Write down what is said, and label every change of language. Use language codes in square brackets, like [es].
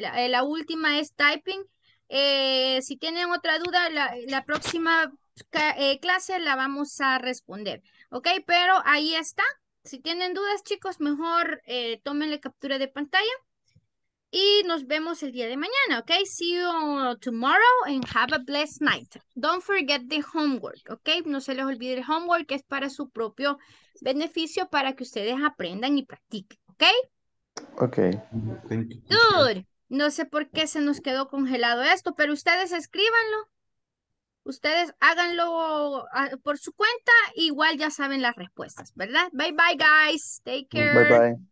[es] La última es typing. Si tienen otra duda, la próxima clase la vamos a responder. ¿Ok? Pero ahí está. Si tienen dudas, chicos, mejor tómenle captura de pantalla. Y nos vemos el día de mañana, ¿ok? [en] See you tomorrow and have a blessed night. Don't forget the homework, ¿ok? [es] No se les olvide el homework, que es para su propio beneficio, para que ustedes aprendan y practiquen, ¿ok? Ok. Dude, no sé por qué se nos quedó congelado esto, pero ustedes escríbanlo. Ustedes háganlo por su cuenta, igual ya saben las respuestas, ¿verdad? [en] Bye bye, guys. Take care.